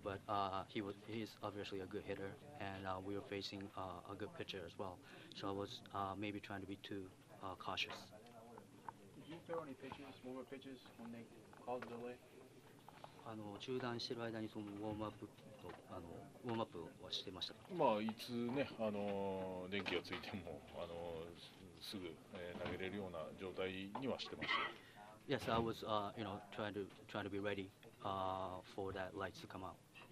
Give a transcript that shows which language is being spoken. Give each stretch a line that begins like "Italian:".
English: But he's obviously a good hitter, and we were facing a good pitcher as well. So I was maybe trying to be too cautious. Did you throw any pitches, warmer pitches, when they?
Japanese: あの中断してる間にそのウォームアップはしてましたか？まあ、いつね、電気がついても、すぐ、投げれるような状態にはしてました。
English: Yes, I was, you know, trying to be ready, for that lights to come out.